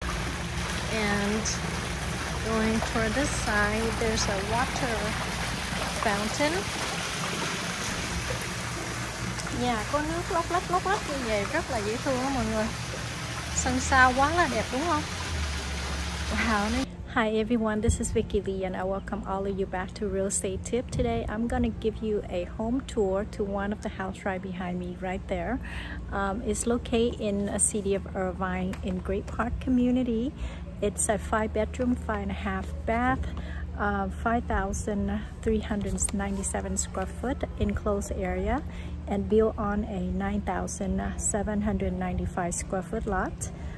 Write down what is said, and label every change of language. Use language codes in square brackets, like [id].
[en] and going toward this side, there's a water fountain. [vi] Nhà có nước lóc lách lóc lách như vậy rất là dễ thương đó mọi người. Sân sau quá là đẹp đúng không? Wow. [en] Hi everyone, this is Vicky Lee and I welcome all of you back to Real Estate Tip. Today I'm gonna give you a home tour to one of the house right behind me right there. It's located in a city of Irvine in Great Park community. It's a 5-bedroom, 5.5-bath, 5,397 square foot enclosed area and built on a 9,795 square foot lot.